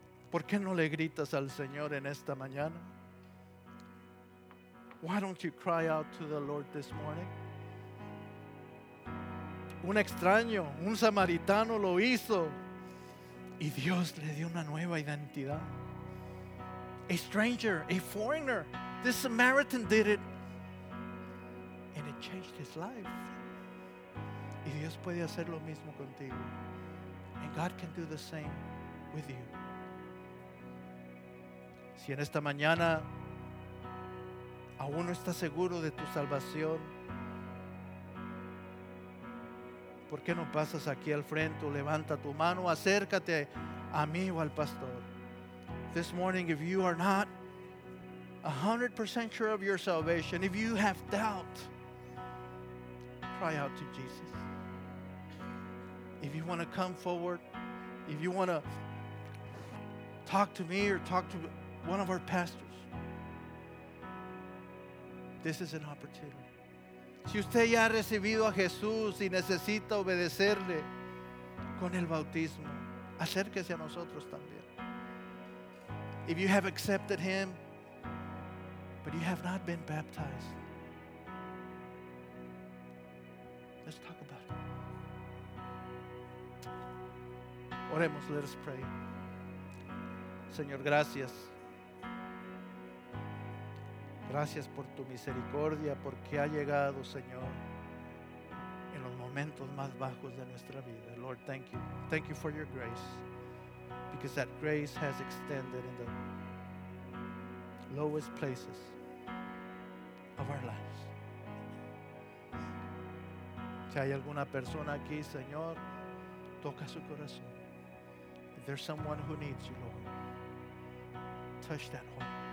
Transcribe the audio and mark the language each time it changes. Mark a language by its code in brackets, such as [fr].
[es] ¿Por qué no le gritas al Señor en esta mañana? [en] Why don't you cry out to the Lord this morning? [es] Un extraño, un samaritano lo hizo y Dios le dio una nueva identidad. [en] A stranger, a foreigner, this Samaritan did it and it changed his life. [es] Y Dios puede hacer lo mismo contigo. [en] And God can do the same with you. [es] Si en esta mañana aún no estás seguro de tu salvación, ¿por qué no pasas aquí al frente o levanta tu mano, acércate a mí o al pastor? [en] This morning, if you are not 100% sure of your salvation, if you have doubt, cry out to Jesus. If you want to come forward, if you want to talk to me or talk to one of our pastors, this is an opportunity. [es] Si usted ya ha recibido a Jesús y necesita obedecerle con el bautismo, acérquese a nosotros también. [en] If you have accepted him but you have not been baptized, let's talk about it. [es] Oremos. [en] Let us pray. [es] Señor, gracias. Gracias por tu misericordia, porque ha llegado, Señor, en los momentos más bajos de nuestra vida. [en] Lord, thank you. Thank you for your grace, because that grace has extended in the lowest places of our lives. [es] Si hay alguna persona aquí, Señor, toca su corazón. [en] If there's someone who needs you, Lord, touch that heart.